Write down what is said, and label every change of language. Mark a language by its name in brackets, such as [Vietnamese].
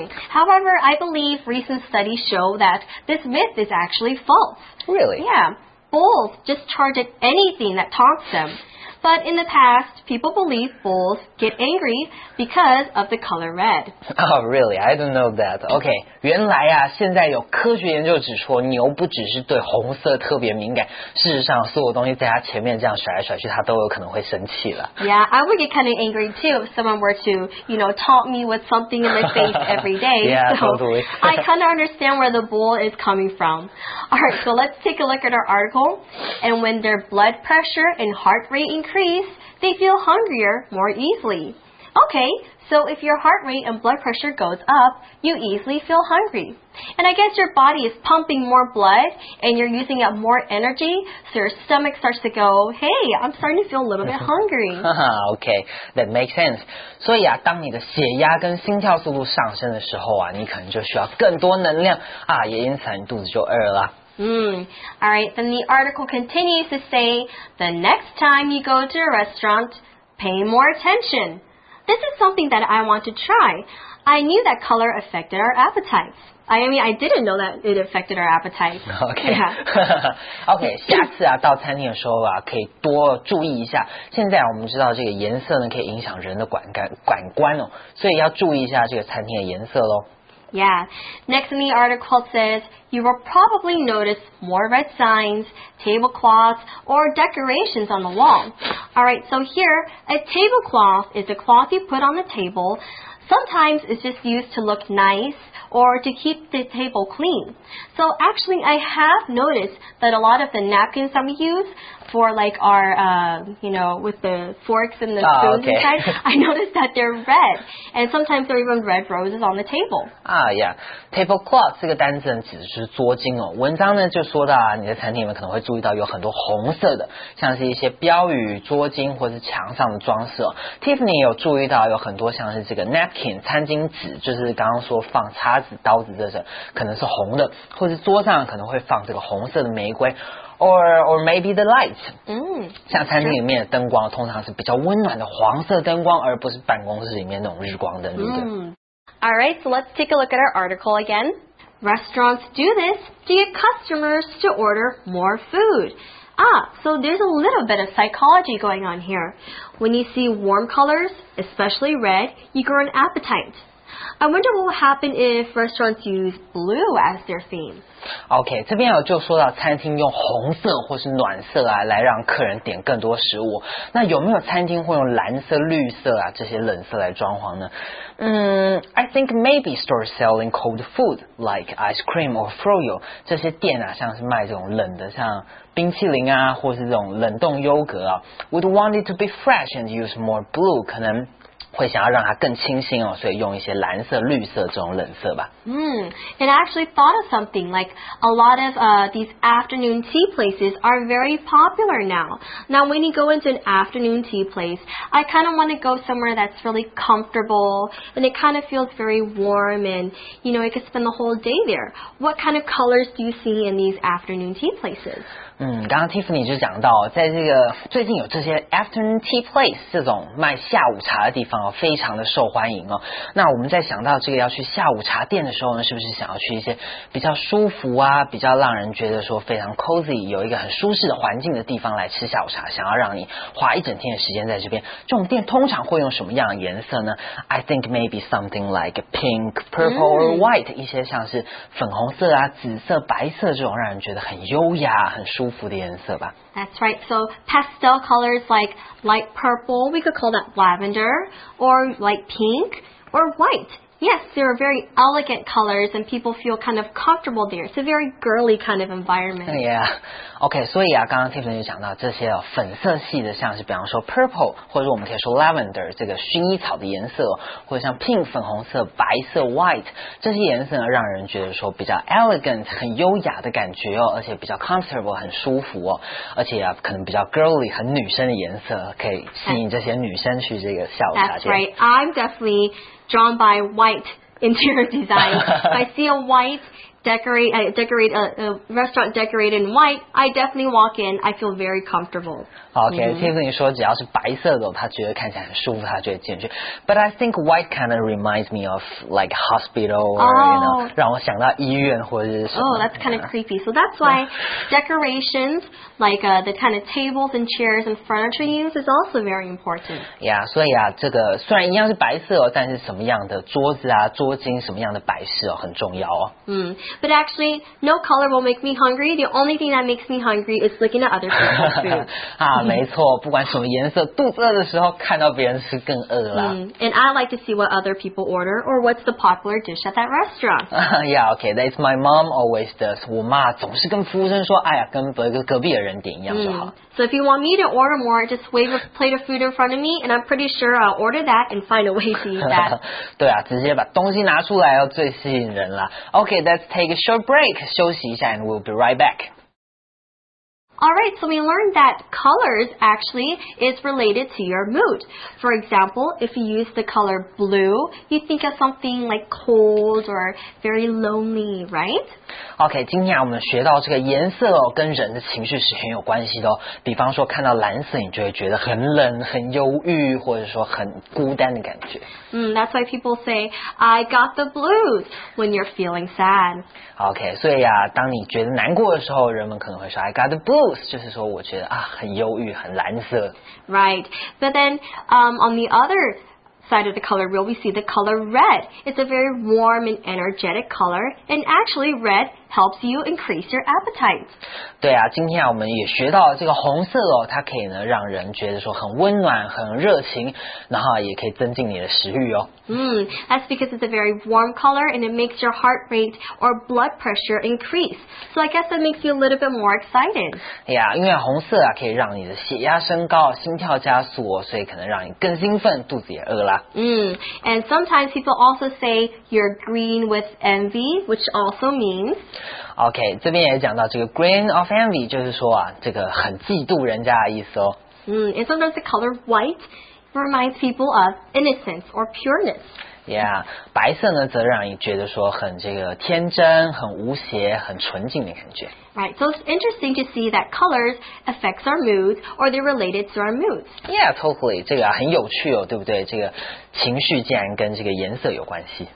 [English] However, I believe recent studies show that this myth is actually false. Really? Yeah, bulls just charge at anything that taunts them. But in the past, people believe bulls get angry because of the color red. Oh, really? I don't know that. [Chinese] Okay, 原来啊，现在有科学研究指出，牛不只是对红色特别敏感，事实上，所有东西在它前面这样甩来甩去，它都有可能会生气了。 [English] Yeah, I would get kind of angry too if someone were to, you know, taunt me with something in my face every day. Yeah, totally. I kind of understand where the bull is coming from. All right, so let's take a look at our article. And when their blood pressure and heart rate increase, they feel hungrier more easily. Okay, so if your heart rate and blood pressure goes up, you easily feel hungry. And I guess your body is pumping more blood and you're using up more energy, so your stomach starts to go, hey, I'm starting to feel a little bit hungry. Okay, that makes sense. [Chinese] 所以啊，当你的血压跟心跳速度上升的时候啊，你可能就需要更多能量啊，也因此你肚子就饿了。 [English] Alright, then the article continues to say, the next time you go to a restaurant, pay more attention. This is something that I want to try. I knew that color affected our appetites. I didn't know that it affected our appetites. Okay. Yeah. [Chinese] Okay, 下次啊，到餐厅的时候啊，可以多注意一下。现在我们知道这个颜色呢，可以影响人的感官哦，所以要注意一下这个餐厅的颜色咯。 [English] Yeah. Next in the article says, you will probably notice more red signs, tablecloths, or decorations on the wall. All right, so here, a tablecloth is a cloth you put on the table. Sometimes it's just used to look nice or to keep the table clean. So actually, I have noticed that a lot of the napkins that we use for like our, with the forks and the spoons inside, I noticed that they're red. And sometimes there are even red roses on the table. [Chinese] Tablecloth 这个单字呢指的是桌巾哦。文章呢就说到啊，你的餐厅里面可能会注意到有很多红色的，像是一些标语、桌巾或是墙上的装饰哦。 Tiffany 有注意到有很多像是这个 napkin 餐巾纸，就是刚刚说放叉子、刀子这些，可能是红的，或是桌上可能会放这个红色的玫瑰。 [English] Or maybe the light. [Chinese] 像餐厅里面的灯光通常是比较温暖的黄色灯光，而不是办公室里面那种日光灯。 [English] All right, so let's take a look at our article again. Restaurants do this to get customers to order more food. Ah, so there's a little bit of psychology going on here. When you see warm colors, especially red, you grow an appetite. I wonder what will happen if restaurants use blue as their theme. [Chinese] Okay, 这边就说到餐厅用红色或是暖色啊，来让客人点更多食物。那有没有餐厅会用蓝色、绿色啊，这些冷色来装潢呢？ [English] I think maybe stores selling cold food like ice cream or froyo. [Chinese] 这些店啊，像是卖这种冷的，像冰淇淋啊，或是这种冷冻优格啊， [English] would want it to be fresh and use more blue. [Chinese] 可能会想要让它更清新哦，所以用一些蓝色、绿色这种冷色吧。 [English] And I actually thought of something. Like a lot of these afternoon tea places are very popular now. Now when you go into an afternoon tea place, I kind of want to go somewhere that's really comfortable and it kind of feels very warm and you know, I could spend the whole day there. What kind of colors do you see in these afternoon tea places? [Chinese] 刚刚 Tiffany 就讲到，在这个最近有这些 [English] afternoon tea place [Chinese] 这种卖下午茶的地方哦，非常的受欢迎哦。那我们在想到这个要去下午茶店的时候呢，是不是想要去一些比较舒服啊，比较让人觉得说非常 cozy， 有一个很舒适的环境的地方来吃下午茶，想要让你花一整天的时间在这边？这种店通常会用什么样的颜色呢 ？ [English] I think maybe something like pink, purple or white， [Chinese] 一些像是粉红色啊、紫色、白色这种让人觉得很优雅、很舒服。 [English] That's right. So pastel colors like light purple, we could call that lavender, or light pink, or white. Yes, they are very elegant colors, and people feel kind of comfortable there. It's a very girly kind of environment. Yeah. Okay. [Chinese] 所以啊，刚刚 Tiffany 就讲到这些哦，粉色系的，像是比方说 purple， 或者我们可以说 lavender 这个薰衣草的颜色，或者像 pink 粉红色、白色 white 这些颜色呢，让人觉得说比较 elegant 很优雅的感觉哦，而且比较 comfortable 很舒服哦，而且啊可能比较 girly 很女生的颜色，可以吸引这些女生去这个下午茶店。 [English] That's right. I'm definitely drawn by white interior design. If I see a white restaurant decorated in white, I definitely walk in. I feel very comfortable. [Chinese] Okay, Tiffany 说只要是白色的，他觉得看起来很舒服，他觉得进去。 [English] But I think white kind of reminds me of like hospital, or, you know, [Chinese] 让我想到医院或者是什么。 [English] Oh, that's kind of creepy. So that's why decorations like the kind of tables and chairs and furniture use is also very important. [Chinese] Yeah, 所以啊，这个虽然一样是白色哦，但是什么样的桌子啊、桌巾什么样的摆设哦，很重要哦。 [English] But actually, no color will make me hungry. The only thing that makes me hungry is looking at other people's food. [Chinese] 啊，没错，不管什么颜色，肚子饿的时候看到别人吃更饿了。 [English] And I like to see what other people order or what's the popular dish at that restaurant. Yeah, okay, that's my mom always does. [Chinese] 我妈总是跟服务生说，哎呀，跟隔壁的人点一样就好。 [English] So if you want me to order more, just wave a plate of food in front of me, and I'm pretty sure I'll order that and find a way to eat that. [Chinese] 对啊，直接把东西拿出来哦，最吸引人了。 [English] Okay, let's take a short break, [Chinese] 休息一下 [English] and we'll be right back. All right, so we learned that colors actually is related to your mood. For example, if you use the color blue, you think of something like cold or very lonely, right? [Chinese] OK, 今天我们学到这个颜色哦，跟人的情绪是很有关系的哦。比方说看到蓝色，你就会觉得很冷、很忧郁，或者说很孤单的感觉。 [English] That's why people say, I got the blues when you're feeling sad. [Chinese] OK, 所以啊，当你觉得难过的时候，人们可能会说 [English] I got the blues, [Chinese] 就是说我觉得啊，很忧郁、很蓝色。 [English] Right, but then, on the other side of the color wheel, we see the color red. It's a very warm and energetic color, and actually red helps you increase your appetite. [Chinese] 对啊，今天我们也学到这个红色哦，它可以呢让人觉得说很温暖、很热情，然后也可以增进你的食欲哦。 [English] That's because it's a very warm color and it makes your heart rate or blood pressure increase. So I guess that makes you a little bit more excited. [Chinese] Yeah, 因为红色啊可以让你的血压升高、心跳加速哦，所以可能让你更兴奋、肚子也饿了。 [English] And sometimes people also say you're green with envy, which also means... [Chinese] OK, 这边也讲到这个 [English] green of envy, [Chinese] 就是说啊这个很嫉妒人家的意思哦。 [English] And sometimes the color white reminds people of innocence or pureness. [Chinese] Yeah, 白色呢则让你觉得说很这个天真很无邪很纯净的感觉 [English] Right, so it's interesting to see that colors affects our moods or they're related to our moods Yeah, totally, [Chinese] 这个很有趣哦对不对这个情绪竟然跟这个颜色有关系、